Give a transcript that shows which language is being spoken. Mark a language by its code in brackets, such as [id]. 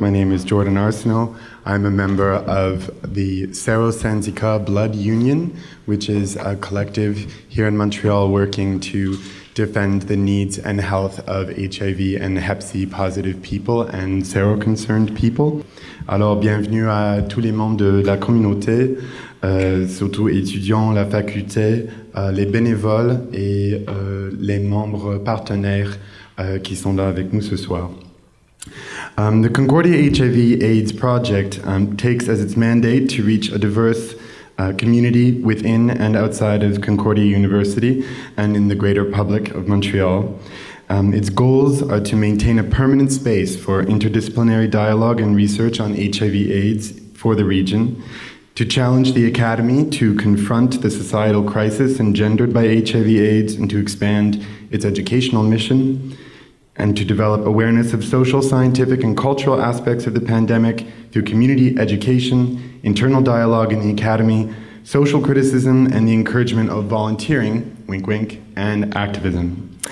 [en] My name is Jordan Arsenal. I'm a member of the Cerro Sanzica Blood Union, which is a collective here in Montreal working to defend the needs and health of HIV and Hep C positive people and seroconcerned people. [fr] Alors, bienvenue à tous les membres de la communauté, surtout étudiants, la faculté, les bénévoles et les membres partenaires qui sont là avec nous ce soir. [en] The Concordia HIV/AIDS Project takes as its mandate to reach a diverse community within and outside of Concordia University and in the greater public of Montreal. Its goals are to maintain a permanent space for interdisciplinary dialogue and research on HIV/AIDS for the region, to challenge the academy to confront the societal crisis engendered by HIV/AIDS and to expand its educational mission, and to develop awareness of social, scientific, and cultural aspects of the pandemic through community education, internal dialogue in the academy, social criticism, and the encouragement of volunteering, wink wink, and activism.